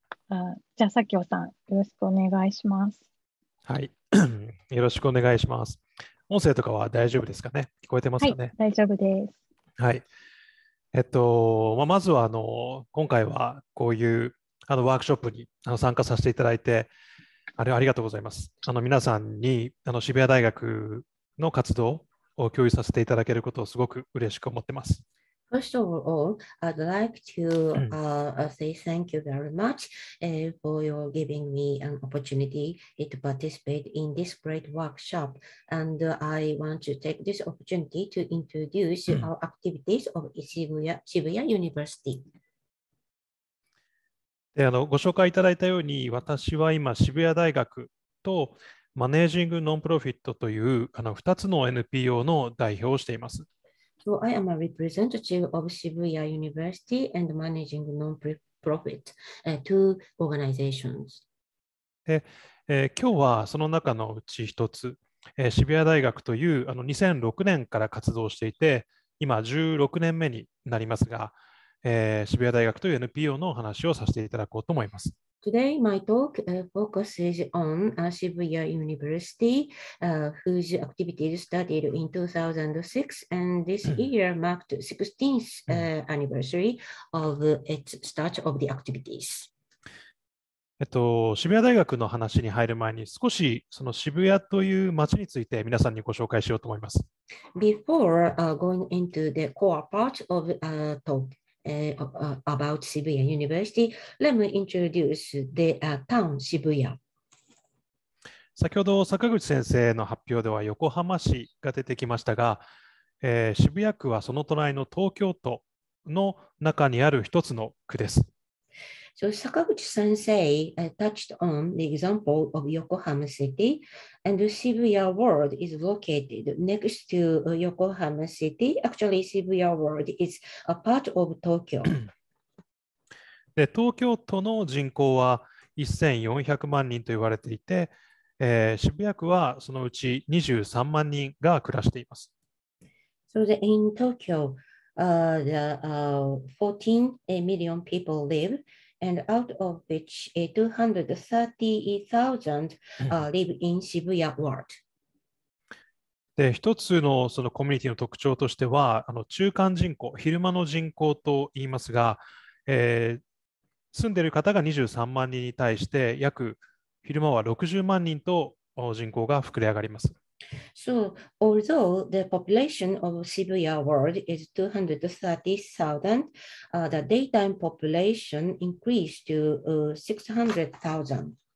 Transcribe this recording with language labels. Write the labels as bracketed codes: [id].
[ja] じゃあ Sakio-san, よろしくお願いします。はい、よろしくお願いします。音声とかは大丈夫ですかね？聞こえてますかね？はい、大丈夫です。はい。まあ、まずはあの今回はこういうあのワークショップに参加させていただいて、ありがとうございます。皆さんに渋谷大学の活動を共有させていただけることをすごく嬉しく思ってます。 [en] First of all, I'd like to say thank you very much for your giving me an opportunity to participate in this great workshop. And I want to take this opportunity to introduce our activities of Shibuya University. [ja] ご紹介いただいたように、私は今、渋谷大学とマネージングノンプロフィットという2つの NPO の代表をしています。 [en] So I am a representative of Shibuya University and managing non-profit, two organizations. [ja] 今日はその中のうち一つ、渋谷大学という2006年から活動していて、今16年目になりますが、渋谷大学という NPO の話をさせていただこうと思います。 [en] Today, my talk focuses on Shibuya University, whose activities started in 2006, and this year marked 16th anniversary of its start of the activities. [ja] 渋谷大学の話に入る前に、少しその渋谷という街について皆さんにご紹介しようと思います。 [en] Before going into the core part of the talk,about Shibuya University, let me introduce the town Shibuya. [ja] 先ほど坂口先生の発表では横浜市が出てきましたが、渋谷区はその隣の東京都の中にある一つの区です。 [en] So, 坂口先生 touched on the example of Yokohama City, and Shibuya World is located next to Yokohama City. Actually, Shibuya World is a part of Tokyo. [ja] で、東京都の人口は1400万人と言われていて、渋谷区はそのうち23万人が暮らしています。 [en] So, in Tokyo, the 14 million people live. And out of which 230,000 live in Shibuya Ward. [ja] で、一つのそのコミュニティの特徴としては、中間人口、昼間の人口と言いますが、住んでいる方が23万人に対して、約昼間は60万人と人口が膨れ上がります。 [en] So, although the population of Shibuya Ward is 230,000, the daytime population increased to 600,000.